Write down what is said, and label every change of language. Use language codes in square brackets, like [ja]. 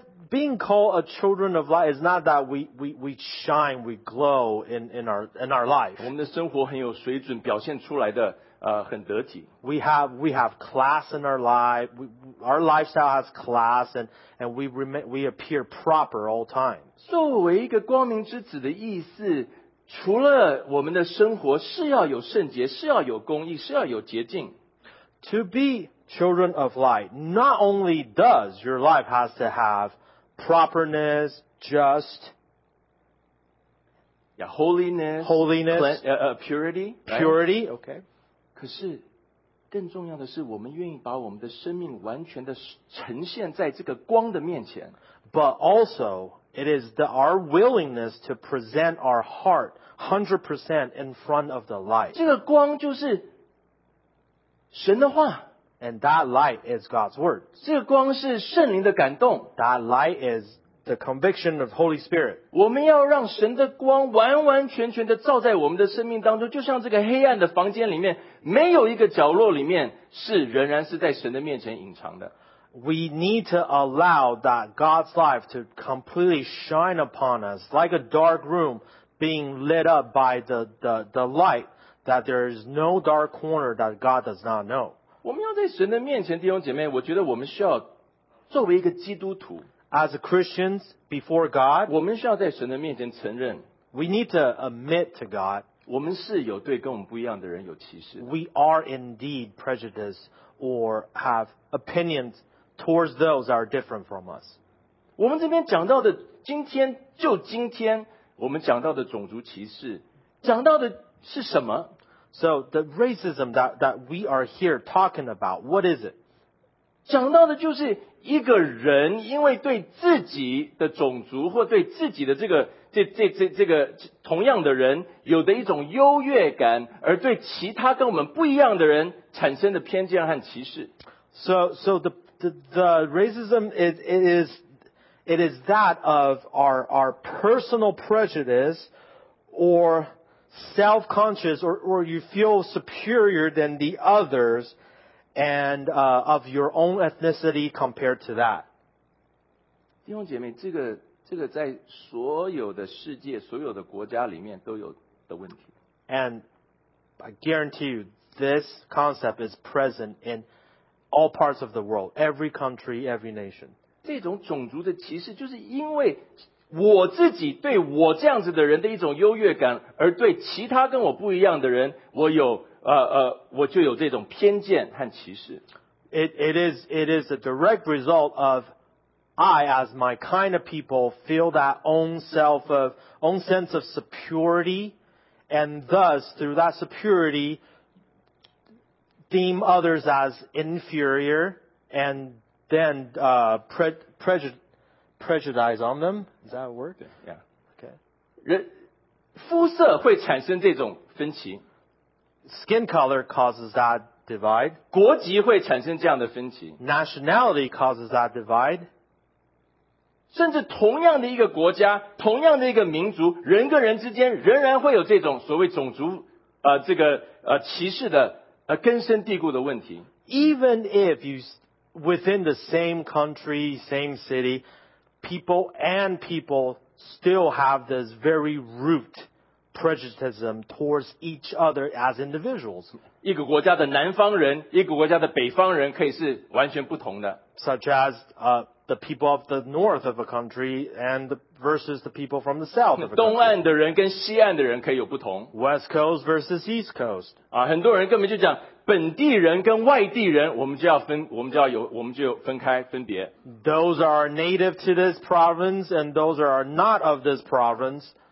[en] Being called a children of light is not that we shine, we glow in our life. [zh] 我们的生活很有水准，表现出来的很得体。 [en] We have class in our life. Our lifestyle has class, and we appear proper all time. [zh] 作为一个光明之子的意思，除了我们的生活是要有圣洁，是要有公义，是要有洁净。 [en] To be children of light, not only does your life has to have properness, just, yeah, holiness, purity, right? Okay. [zh] 可是更重要的是，我们愿意把我们的生命完全的呈现在这个光的面前。 [en] But also, it is our willingness to present our heart 100% in front of the light. [zh] 这个光就是神的话。 [en] And that light is God's word. [zh] 这光是圣灵的感动。 [en] That light is the conviction of Holy Spirit. [zh] 我们要让神的光完完全全的照在我们的生命当中，就像这个黑暗的房间里面，没有一个角落里面是仍然是在神的面前隐藏的。 [en] We need to allow that God's life to completely shine upon us, like a dark room being lit up by the light, that there is no dark corner that God does not know. [zh] 我们要在神的面前，弟兄姐妹，我觉得我们需要作为一个基督徒 [en] ，as Christians before God， [zh] 我们需要在神的面前承认 [en] ，we need to admit to God， [zh] 我们是有对跟我们不一样的人有歧视 [en] ，we are indeed prejudiced or have opinions towards those that are different from us。 [zh] 我们这边讲到的，今天就今天，我们讲到的种族歧视，讲到的是什么？ [en] So the racism that we are here talking about, what is it? [zh] 讲到的就是一个人因为对自己的种族或对自己的这个同样的人有的一种优越感，而对其他跟我们不一样的人产生的偏见和歧视。 [en] So the racism is that of our personal prejudice or... self-conscious or you feel superior than the others and of your own ethnicity compared to that. [zh] 弟兄姐妹，这个在所有的世界所有的国家里面都有的问题。 [en] And I guarantee you, this concept is present in all parts of the world, every country, every nation. 这种种族的歧视就是因为我自己对我这样子的人的一种优越感，而对其他跟我不一样的人，我有我就有这种偏见和歧视。 It is a direct result of I as my kind of people feel that own sense of superiority, and thus through that superiority deem others as inferior, and then prejudice on them. Is that a word? Yeah. Okay. [zh] 肤色会产生这种分歧。 [en] Skin color causes that divide. [zh] 国籍会产生这样的分歧。 [en] Nationality causes that divide. [zh] 甚至同样的一个国家，同样的一个民族，人跟人之间仍然会有这种所谓种族歧视的根深蒂固的问题, [en] even if you within the same country, same city, people and people still have this very root prejudice towards each other as individuals. [zh] 一个国家的南方人,一个国家的北方人可以是完全不同的, [en] such as the people of the north of a country and versus the people from the south of a country. [zh] 东岸的人跟西岸的人可以有不同, [en] West Coast versus East Coast. [zh] 很多人根本就讲, 本地人跟外地人,我们就要分开分别。 [en] Those are native to this province and those are not of this province.